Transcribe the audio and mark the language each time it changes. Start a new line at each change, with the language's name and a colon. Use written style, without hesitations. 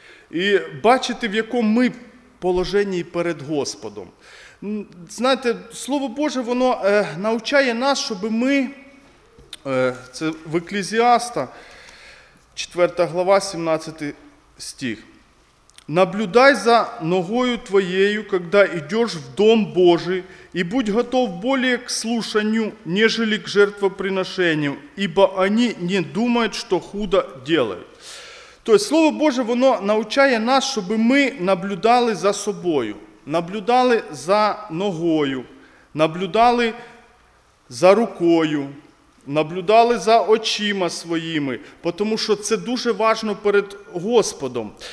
Ukrainian: І бачити, в якому ми положенні перед Господом. Знаєте, Слово Боже, воно навчає нас, щоб ми, це в Екклезіаста, 4 глава, 17 стих.
Russian: «Наблюдай за ногою твоєю, когда идешь в дом Божий, и будь готов более к слушанию, нежели к жертвоприношению, ибо они не думают, что худо делают».
Ukrainian: То есть Слово Боже, воно научає нас, щоб ми наблюдали за собою, наблюдали за ногою, наблюдали за рукою, наблюдали за очима своїми, тому що це дуже важливо перед Господом.